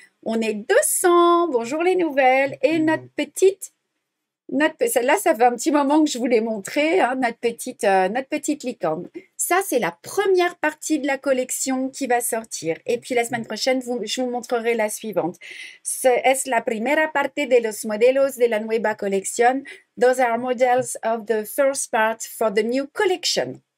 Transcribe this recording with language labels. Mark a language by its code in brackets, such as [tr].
[fr] On est 200, bonjour les nouvelles, et notre petite, celle-là, ça fait un petit moment que je vous l'ai montré, notre petite licorne. Ça, c'est la première partie de la collection qui va sortir. Et puis, la semaine prochaine, je vous montrerai la suivante. [es] Es la primera parte de los modelos de la nueva collection. [en] Those are models of the first part for the new collection.